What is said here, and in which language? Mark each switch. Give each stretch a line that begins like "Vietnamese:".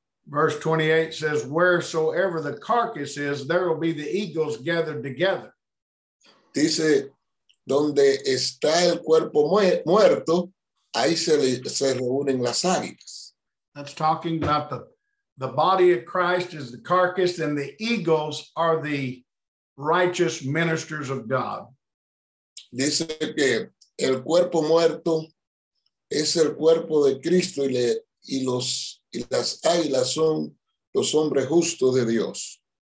English: Verse 28 says, wheresoever the carcass is, there will be the eagles gathered together.
Spanish: Dice, donde está el cuerpo muerto, ahí se reúnen las águilas.
English: That's talking about the body of Christ is the carcass, and the eagles are the righteous ministers of God.
Spanish: Dice que el cuerpo muerto es el cuerpo de Cristo y las águilas son los hombres justos de Dios.